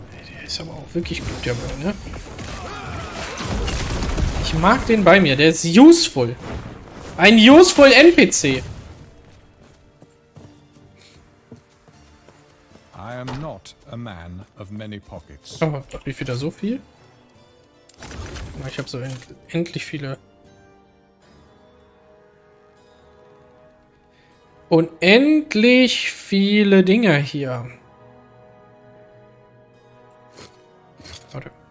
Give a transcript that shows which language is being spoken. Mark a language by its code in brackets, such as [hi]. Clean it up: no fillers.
[de] Der ist aber auch wirklich gut, der Mann, ne? Ich mag den bei mir, der ist useful. Ein useful NPC. [en] I am not a man of many pockets. [de] Oh, wie viel da so viel? Ich habe so endlich viele. Unendlich viele Dinger hier. Warte.